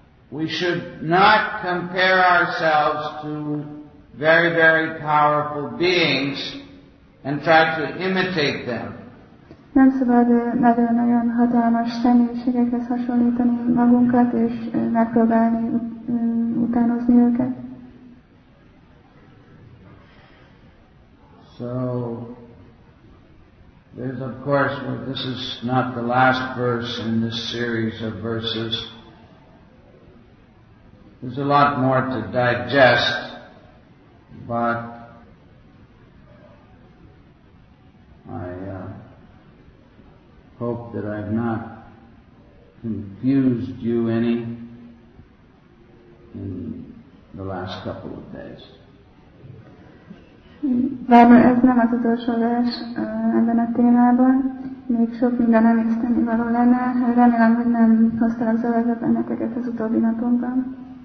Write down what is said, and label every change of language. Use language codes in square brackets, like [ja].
[en] We should not compare ourselves to very, very powerful beings and try to imitate them. [hu] Nem szabad nagyon-nagyon hatalmas személyiségekhez hasonlítani magunkat és megpróbálni utánozni őket. [en] So there's of course, well, this is not the last verse in this series of verses. There's a lot more to digest, but I hope that I've not confused you any in the last couple of days. [hu] Bár ez nem az utolsó vers ebben a témában, még sok minden emészteni való lenne. Remélem, hogy nem hoztalak zavarba benneteket az utóbbi napomban.